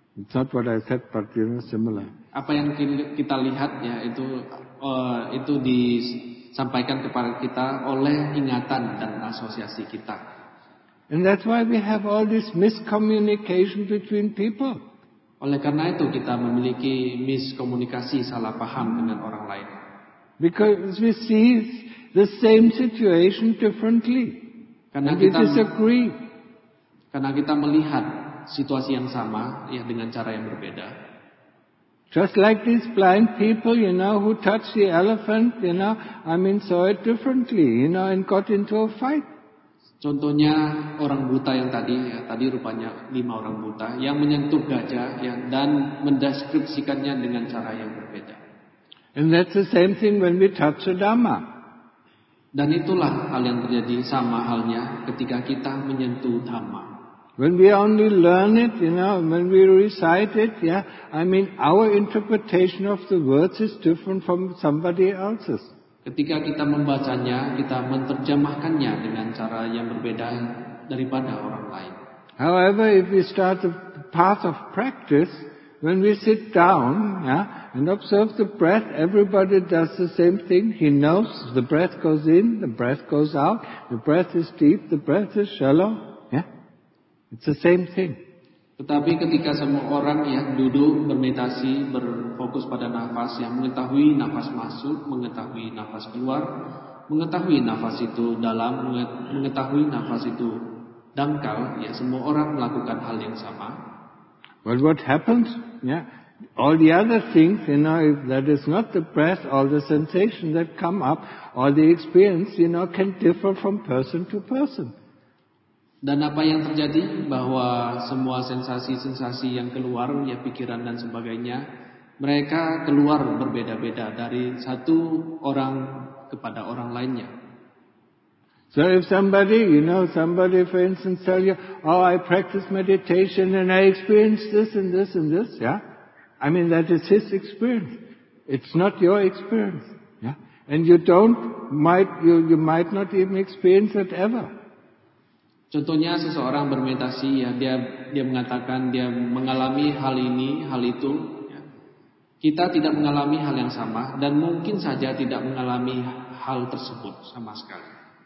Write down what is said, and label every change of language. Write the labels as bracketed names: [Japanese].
[English] It's not what I said, but you know, similar. [Indonesian] Apa yang kita lihat, ya, itu disampaikan kepada kita oleh ingatan dan asosiasi kita. [English] And that's why we have all this miscommunication between people. [Indonesian] Oleh karena itu kita memiliki miskomunikasi, salah paham dengan orang lain. [English] Because we see the same situation differently. [Indonesian] Karena [English] and we disagree. [Indonesian] Karena kita melihat situasi yang sama, ya, dengan cara yang berbeda. [English] Just like these blind people, you know, who touched the elephant, you know, I mean, saw it differently, you know, and got into a fight. [Indonesian] Contohnya orang buta yang tadi, ya, tadi rupanya 5 orang buta yang menyentuh gajah, ya, dan mendeskripsikannya dengan cara yang berbeda. [English] And that's the same thing when we touch a dhamma. [Indonesian] Dan itulah hal yang terjadi sama halnya ketika kita menyentuh dhamma. [English] When we only learn it, you know, when we recite it, yeah, I mean our interpretation of the words is different from somebody else's. [Indonesian] Ketika kita membacanya, kita menerjemahkannya dengan cara yang berbeda daripada orang lain. [English] However, if we start the path of practice, when we sit down, yeah, and observe the breath, everybody does the same thing. He knows the breath goes in, the breath goes out, the breath is deep, the breath is shallow. Yeah, it's the same thing. [Indonesian] Tetapi ketika semua orang ya duduk bermeditasi berfokus pada nafas yang mengetahui nafas masuk, mengetahui nafas keluar, mengetahui nafas itu dalam, mengetahui nafas itu dangkal, ya semua orang melakukan hal yang sama. [English] But what happens? Yeah, all the other things, you know, if that is not the breath, all the sensations that come up, all the experience, you know, can differ from person to person. [Indonesian] Dan apa yang terjadi bahwa semua sensasi-sensasi yang keluar, ya pikiran dan sebagainya, mereka keluar berbeda-beda dari satu orang kepada orang lainnya. [English] So if somebody, you know, somebody for instance tell you, oh I practice meditation and I experience this and this and this, yeah. I mean that is his experience. It's not your experience, yeah. And you don't, might not even experience it ever. [Indonesian] Contohnya seseorang bermeditasi, ya dia mengatakan dia mengalami hal ini, hal itu. Ya. Kita tidak mengalami hal yang sama dan mungkin saja tidak mengalami hal tersebut sama sekali.